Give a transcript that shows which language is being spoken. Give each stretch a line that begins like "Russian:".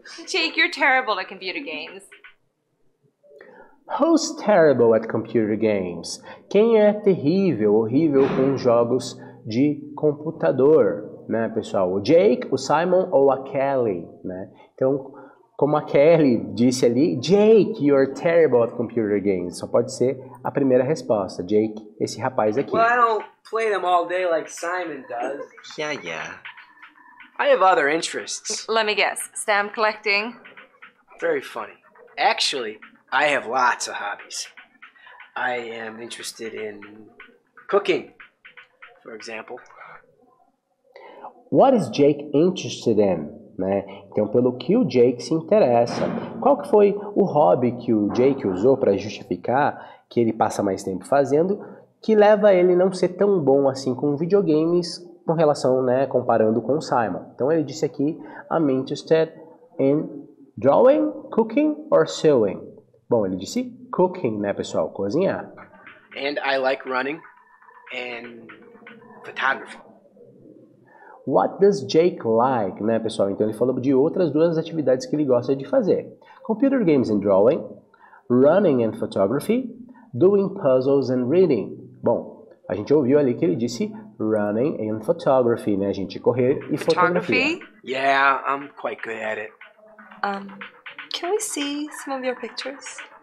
English: Jake, you're terrible at computer games. Who's terrible at computer games?
Portuguese: Quem é terrível, horrível com jogos de computador, né, pessoal? O Jake, o Simon ou a Kelly, né? Então, como a Kelly disse ali, Jake,
English: you're terrible at computer games.
Portuguese: Só pode ser a primeira resposta. Jake, esse rapaz aqui.
English: Well, I don't play them all day like Simon does. Yeah. I have other interests. Let me guess. Stamp collecting? Very funny. Actually, I have lots of hobbies. I am interested in cooking, for example. What is Jake interested in?
Portuguese: Né? Então, pelo que o Jake se interessa. Qual que foi o hobby que o Jake usou para justificar que ele passa mais tempo fazendo, que leva ele não ser tão bom assim com videogames com relação, né, comparando com o Simon? Então, ele disse aqui,
English: I'm interested in drawing, cooking or sewing.
Portuguese: Bom, ele disse cooking, né, pessoal? Cozinhar.
English: And I like running and photography. What does Jake like, né, pessoal?
Portuguese: Então, ele falou de outras duas atividades que ele gosta de fazer.
English: Computer games and drawing, running and photography, doing puzzles and reading.
Portuguese: Bom, a gente ouviu ali que ele disse
English: running and photography,
Portuguese: né, gente? Correr e fotografia.
English: Yeah, I'm quite good at it. Can we see some of your pictures?